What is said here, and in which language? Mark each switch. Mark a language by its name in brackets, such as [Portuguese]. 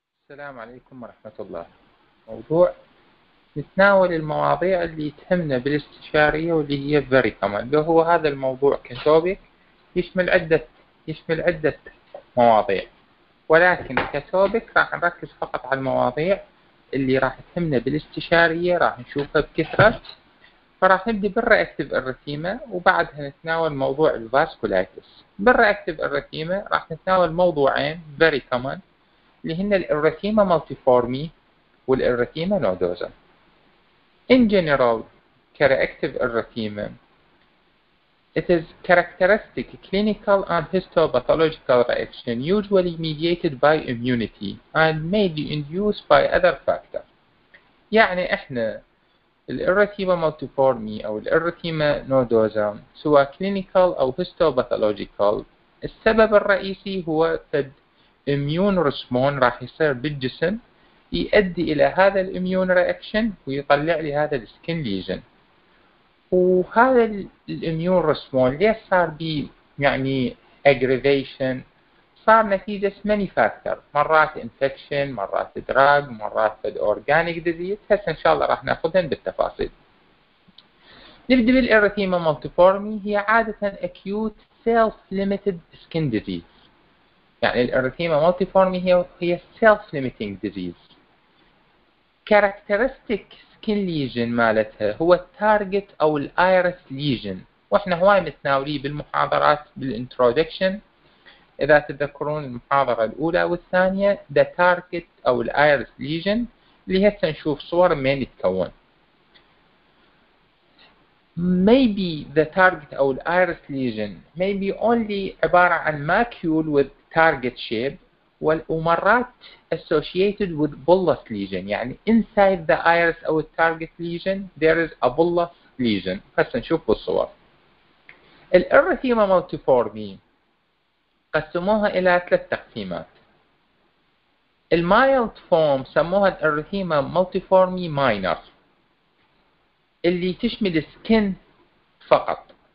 [Arabic] السلام عليكم ورحمة الله. موضوع نتناول المواضيع اللي تهمنا بالاستشارية واللي هي very common، اللي هو هذا الموضوع كتوبيك يشمل عدة مواضيع، ولكن كتوبيك راح نركز فقط على المواضيع اللي راح تهمنا بالاستشارية راح نشوفها بكثرة. فراح نبدأ بالرياكتيف اريثيما وبعدها نتناول موضوع الفاسكولايتس. بالرياكتيف اريثيما راح نتناول موضوعين very common اللي هن الإريثيما مالتيفورمي والإريثيما نودوزا. [English] In general, reactive erythema, it is characteristic clinical and histopathological reaction usually mediated by immunity and may be induced by other factors. [Arabic] يعني إحنا الإريثيما مالتيفورمي أو الإريثيما نودوزا سواء clinical أو histopathological، السبب الرئيسي هو immune response راح يصير بالجسم يؤدي إلى هذا immune reaction ويطلع لي هذا skin lesion. وهذا immune response ليه صار بي يعني aggravation؟ صار نتيجة many factors، مرات infection، مرات drug، مرات organic disease. هسه إن شاء الله راح نأخذهم بالتفاصيل. نبدأ بالإريثيما [English] multiforme، [Arabic] هي عادة [English] acute self-limited skin disease. [Arabic] يعني الإريثيما مالتيفورمي هي self limiting disease. characteristic skin lesion مالتها هو target أو الإيريس lesion، وإحنا هواي متناولي بالمحاضرات بالintroduction إذا تذكرون المحاضرة الأولى والثانية the target أو الإيريس lesion اللي هسه نشوف صور من يتكون. [English] maybe the target أو الإيريس lesion maybe only عبارة عن macule with target shape والأمرات associated with bullous lesion، يعني inside the iris أو target lesion there is a bullous lesion. [Arabic] هسا نشوف بالصور. الإريثيما مالتيفورمي قسموها إلى ثلاث تقسيمات. المايلد فورم سموها الإريثيما مالتيفورمي ماينر اللي تشمل skin فقط.